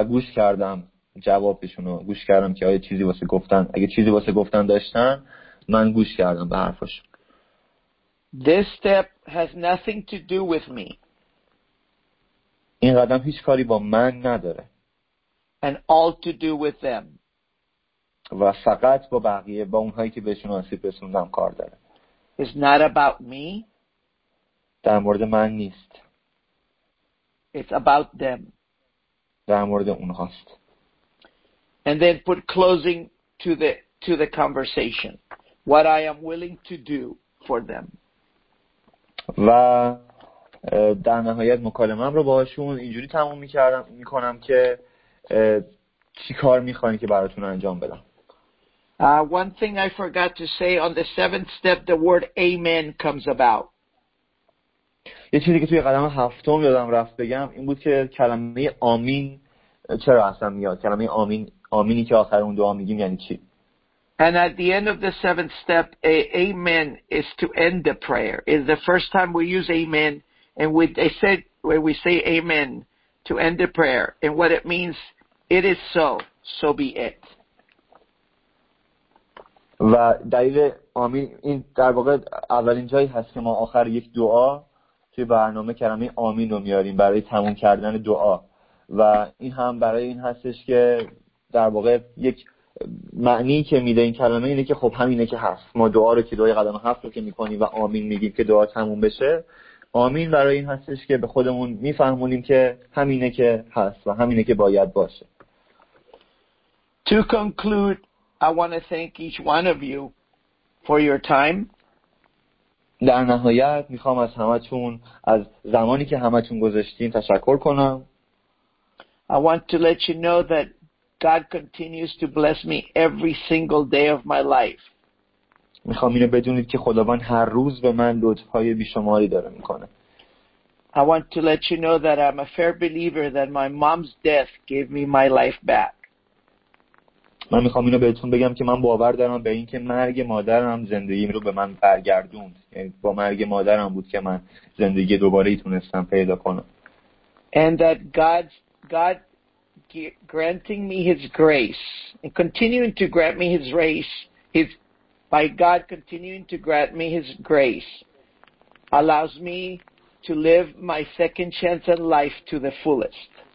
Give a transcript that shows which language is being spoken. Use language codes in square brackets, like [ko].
[fa] و گوش کردم جوابشون رو چیزی واسه گفتن. اگه چیزی واسه گفتن داشتن من گوش کردم به حرفشون. [en] This step has nothing to do with me. [fa] این قدم هیچ کاری با من نداره. [en] And all to do with them. [fa] و فقط با بقیه، با اونهایی که بهشون آسیب رسوندم کار داره. [en] It's not about me. [fa] در مورد من نیست. [en] It's about them. [fa] در مورد اونهاست. [en] And then put closing to the conversation. What I am willing to do for them. [fa] و در نهایت مکالمه‌ام رو باهاشون اینجوری تموم می‌کردم می‌کنم که چی کار می‌خواید که براتون انجام بدم. [en] One thing I forgot to say, on the seventh step the word amen comes about. [fa] یه چیزی که توی قدم هفتم یادم رفت بگم این بود که کلمه آمین چرا اصلا میاد، کلمه آمین، آمینی که آخر اون دعا میگیم یعنی چی. [en] And at the end of the seventh step, amen is to end the prayer. It's the first time we use amen, and when we say amen to end the prayer, and what it means, it is so, so be it. [fa] و دلیل آمین این در واقع اولین جایی هست که ما آخر یک دعا توی برنامه کلمه آمین رو میاریم برای تموم کردن دعا، و این هم برای این هستش که در واقع یک معنی که میده این کلمه اینه که خب همینه که هست، ما دعا رو که دعای قدم هفت رو که میکنیم و آمین میگیم که دعا تموم بشه، آمین برای این هستش که به خودمون میفهمونیم که همینه که هست و همینه که باید باشه. [en] To conclude, I want to thank each one of you for your time. [fa] در نهایت میخوام از همتون، از زمانی که همتون گذاشتین تشکر کنم. [en] I want to let you know that God continues to bless me every single day of my life. [fa] میخوام اینو بدونید که خداوند هر روز به من لطف‌های بی‌شماری داره می‌کنه. [en] I want to let you know that I'm a fair believer that my mom's death gave me my life back. [fa] من میخوام اینو بهتون بگم که من باور دارم به اینکه مرگ مادرم زندگیم رو به من برگردوند. یعنی با مرگ مادرم بود که من زندگی دوباره‌ای تونستم پیدا کنم. [en] And that God granting me his grace and continuing to grant me his grace, his by God continuing to grant me his grace allows me to live my second chance at life to the fullest.